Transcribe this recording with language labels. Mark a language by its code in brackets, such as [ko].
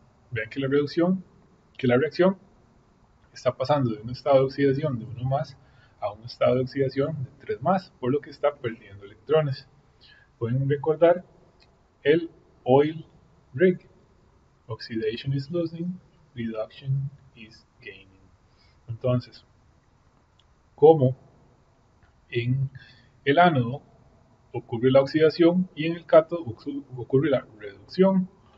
[es] Vean que la reacción está pasando de un estado de oxidación de 1 más a un estado de oxidación de 3 más, por lo que está perdiendo electrones. Pueden recordar el oil rig. [en] Oxidation is losing, reduction is gaining. [es] Entonces, como en el ánodo ocurre la oxidación y en el cátodo ocurre la reducción.